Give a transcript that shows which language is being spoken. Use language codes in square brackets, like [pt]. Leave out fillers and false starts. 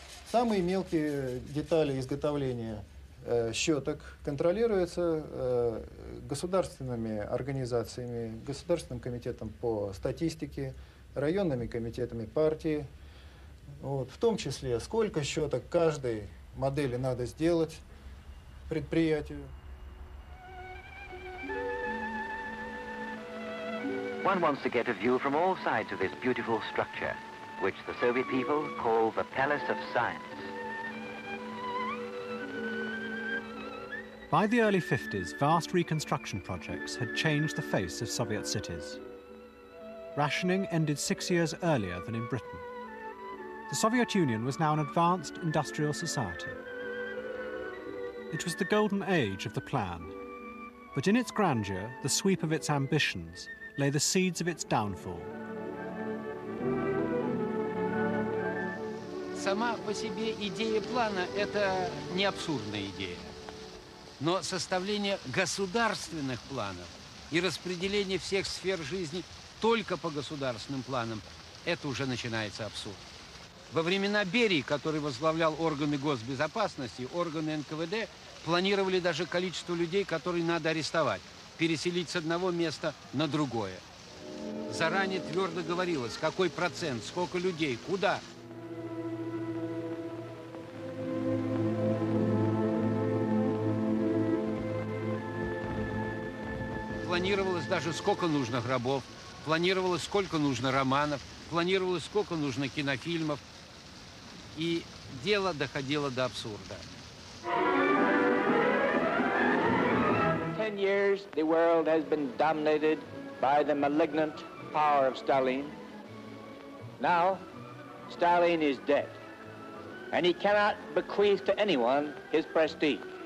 [ru] Самые мелкие детали изготовления щеток контролируются государственными организациями, Государственным комитетом по статистике, районными комитетами партии. Вот, в том числе, сколько щеток каждой модели надо сделать предприятию. [en] One wants to get a view from all sides of this beautiful structure, which the Soviet people call the Palace of Science. By the early 50s, vast reconstruction projects had changed the face of Soviet cities. Rationing ended 6 years earlier than in Britain. The Soviet Union was now an advanced industrial society. It was the golden age of the plan, but in its grandeur, the sweep of its ambitions, lay the seeds of its downfall. [ru] Сама по себе идея плана – это не абсурдная идея. Но составление государственных планов и распределение всех сфер жизни только по государственным планам – это уже начинается абсурд. Во времена Берии, который возглавлял органы госбезопасности, органы НКВД планировали даже количество людей, которые надо арестовать, переселить с одного места на другое. Заранее твердо говорилось, какой процент, сколько людей, куда. Планировалось даже, сколько нужно гробов, планировалось, сколько нужно романов, планировалось, сколько нужно кинофильмов. И дело доходило до абсурда. [en] 10 years, the world has been dominated by the malignant power of Stalin. Now, Stalin is dead, and he cannot bequeath to anyone his prestige.